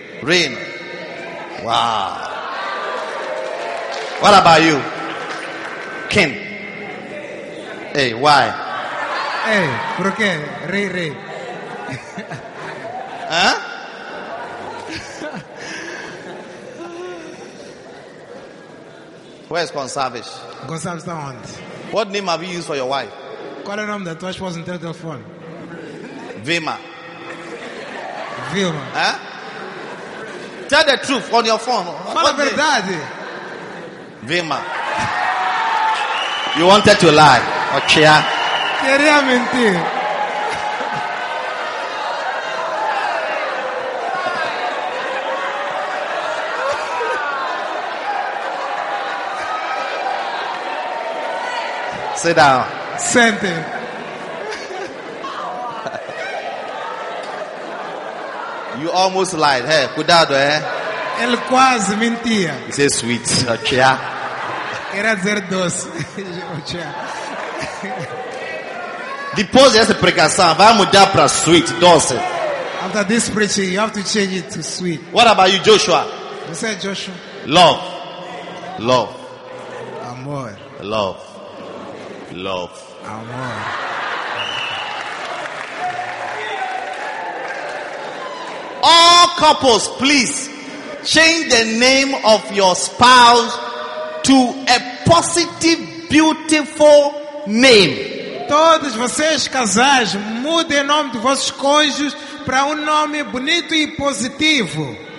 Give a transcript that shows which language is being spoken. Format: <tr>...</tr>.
<en>Rain. Wow. What about you? Ken. Hey, why?</en> <pt>Hey, por quê? Ray. Huh?</pt> <en>Where's Gonçalves?</en> <pt>Gonçalves está onde?</pt> <en>What name have you used for your wife?</en> <pt>Qual é o nome da tua esposa no teu telefone? Vilma. Huh?</pt> <en>Tell the truth on your phone.</en> <pt>Fala a verdade.</pt> <en>Vilma. You wanted to lie. Okay.</en> <pt>Queria mentir.</pt> <en>Sit down.</en> <pt>Sente.</pt> <en>You almost lied. Hey,</en> <pt>cuidado, eh? Ele quase mentia.</pt> <en>He says sweet. Okay.</en> <pt>Era dizer doce. Okay. Depois dessa pregação, vai mudar para sweet, doce.</pt> <en>After this preaching, you have to change it to sweet. What about you, Joshua? You said Joshua. Love. Love.</en> <pt>Amor.</pt> <en>Love. Love.</en> <pt>Amor.</pt> <en>All couples, please change the name of your spouse to a positive, beautiful name.</en> <pt>Todos vocês casais, mudem o nome de vossos cônjuges para nome bonito e positivo.</pt>